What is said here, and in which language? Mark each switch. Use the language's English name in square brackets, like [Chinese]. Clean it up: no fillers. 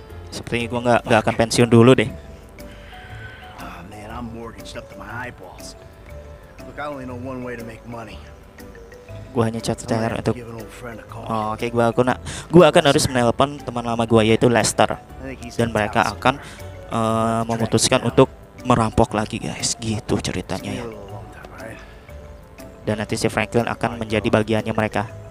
[Indonesian] Sepertinya gua enggak akan pensiun dulu deh. [English] Oh, man, I'm mortgaged up to my eyeballs. Look, I only know one way to make money. [Indonesian] Gua hanya cara untuk. Oke, gua akan harus menelpon teman lama gua, yaitu Lester, dan mereka akan memutuskan untuk merampok lagi, guys. Gitu ceritanya ya. Dan nanti si Franklin akan menjadi bagiannya mereka.